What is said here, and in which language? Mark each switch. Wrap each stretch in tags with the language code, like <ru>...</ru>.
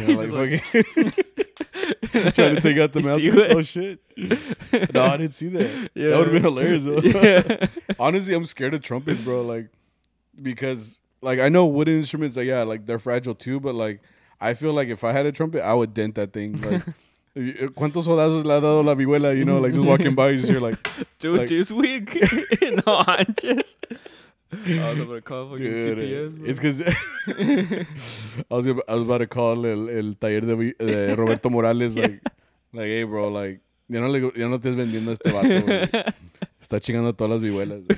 <en>You know, like fucking trying to take out the mouthpiece. Oh shit! No, I didn't see that. Yeah. That would have been hilarious. Yeah. Honestly, I'm scared of trumpet, bro. Like, because like I know wood instruments. Like, yeah, like they're fragile too. But like, I feel like if I had a trumpet, I would dent that thing. Like,</en> <es>¿cuántos soldados le ha dado la vihuela?</es> <en>You know, like just walking by, you just hear like, dude, like, this week, no, I'm just, I was about to call fucking dude, CPS. It's because I was about to call</en> <es>el taller de Roberto Morales,</es> <en>like, like, hey, bro, like,</en> <es>ya no estás vendiendo este vato, está chingando todas las vihuelas,</es>